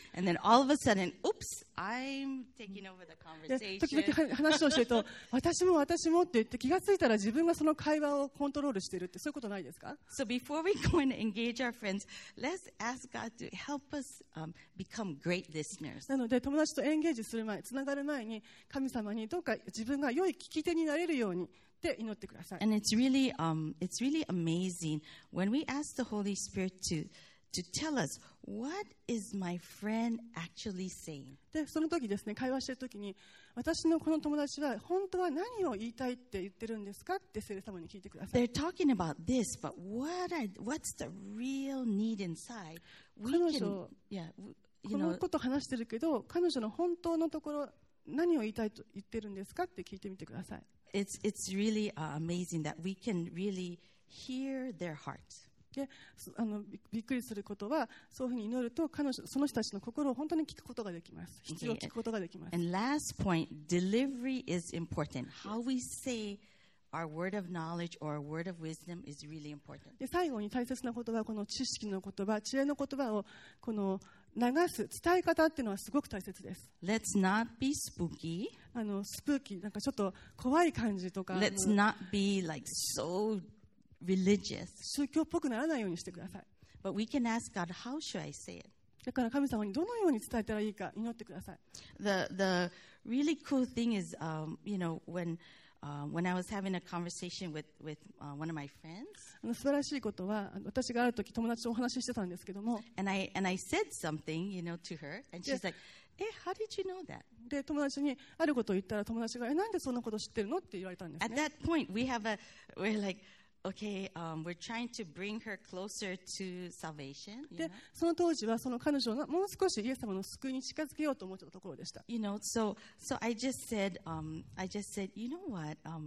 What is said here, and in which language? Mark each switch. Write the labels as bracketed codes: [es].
[en] And then all of a sudden, oops, I'm taking over the conversation. [ja] 時々話をしてると、私も私もって言って気がついたら自分がその会話をコントロールしてるってそういうことないですか？ [en] So before we go and engage our friends, let's ask God to help us become great listeners. [ja] なので友達とエンゲージする前、つながる前に神様にどうか自分が良い聞き手になれるように。 [en] And it's really amazing when we ask the Holy Spirit to tell us what is my friend actually saying. [ja] で、その時ですね、会話してる時に、私のこの友達は本当は何を言いたいって言ってるんですかって聖霊様に聞いてください。 [en] They're talking about this, but what's the real need inside? We can, yeah, you know, [ja] このこと話してるけど、彼女の本当のところ何を言いたいと言ってるんですかって聞いてみてください。 [en] It's really amazing that we can really hear their hearts. [ja] で、あの、びっくりすることは、そういうふうに祈ると、彼女、その人たちの心を本当に聞くことができます。必要を聞くことができます。 [en] And last point, delivery is important. How we say Our word of knowledge or word of wisdom is really important. [ja] で、最後に大切な言葉はこの知識の言葉、知恵の言葉をこの流す伝え方っていうのはすごく大切です。 [en] Let's not be spooky. [ja] あのスプーキーなんかちょっと怖い感じとか。 [en] Let's not be like so religious. [ja] 宗教っぽくならないようにしてください。 [en] But we can ask God, how should I say it? [ja] だから神様にどのように伝えたらいいか祈ってください。 [en] The really cool thing is, you know, when I was having a conversation with one of my friends. [ja] 素晴らしいことは、私があるとき友達とお話ししてたんですけども。 [en] And I said something, you know, to her, and she's like,How did you know that? [ja] で友達にあることを言ったら友達がなんでそんなこと知ってるのって言われたんですね。 [en] At that point, we're like,Okay, we're trying to bring her closer to salvation. [ja] で、その当時はその彼女をもう少しイエス様の救いに近づけようと思ったところでした。 [en] You know, so I just said, you know what?